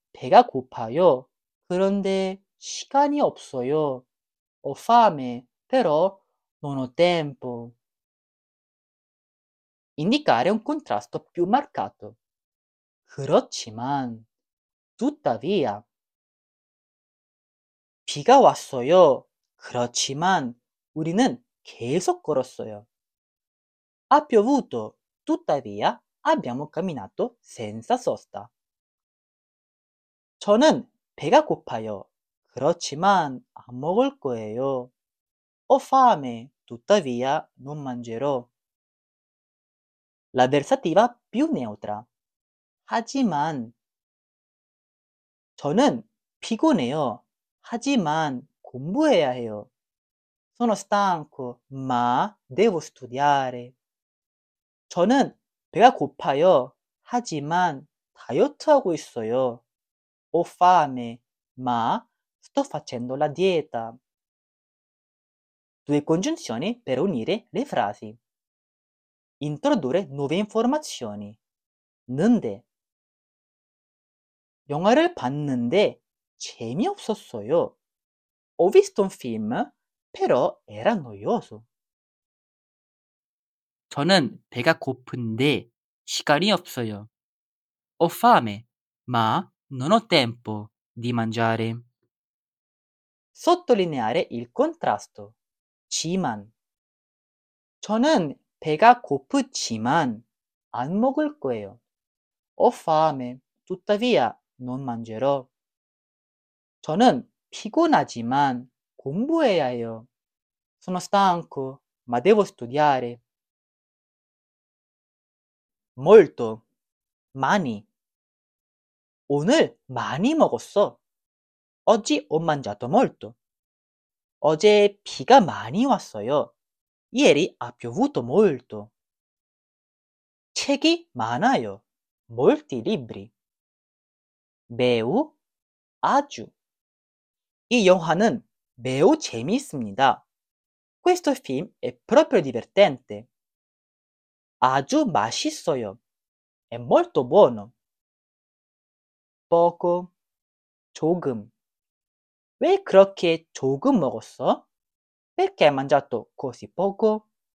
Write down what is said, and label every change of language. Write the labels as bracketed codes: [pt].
[ko] 배가 고파요. 그런데 시간이 없어요. [it] Ho fame, però non ho tempo. Indicare un contrasto più marcato. 그렇지만, tuttavia. [ko] 비가 왔어요. 그렇지만, 우리는 계속 걸었어요. [it] Ha piovuto, tuttavia abbiamo camminato senza sosta. [ko] 저는 배가 고파요. 그렇지만, 안 먹을 거예요. [it] Ho fame, tuttavia non mangerò. L'avversativa più neutra. [ko] 하지만, 저는 피곤해요. 하지만 공부해야 해요. [it] Sono stanco, ma devo studiare. [ko] 저는 배가 고파요. 하지만 다이어트하고 있어요. [it] Ho fame, ma sto facendo la dieta. Due congiunzioni per unire le frasi. Introdurre nuove informazioni. [ko] 는데 영화를 봤는데 재미없었어요. [it] Ho visto un film, però era noioso. [ko] 저는 배가 고픈데 시간이 없어요. [it] Ho fame, ma non ho tempo di mangiare. Sottolineare il contrasto. [ko] 지만 저는 배가 고프지만 안 먹을 거예요. [it] Ho fame, tuttavia non mangerò. [ko] 저는 피곤하지만 공부해야 해요. [it] Sono stanco, ma devo studiare. [ko] Molto, many. 오늘 많이 먹었어. [it] Oggi ho mangiato molto. [ko] 어제 비가 많이 왔어요. [it] Ieri ha piovuto molto. [ko] 책이 많아요. [it] Molti libri. 매우, 아주. [ko] 이 영화는 매우 재미있습니다. [it] Questo film è proprio divertente. [ko] 아주 맛있어요. [it] È molto buono. [ko] Poco, 조금. 왜 그렇게 조금 먹었어? [it] Perché hai mangiato così poco?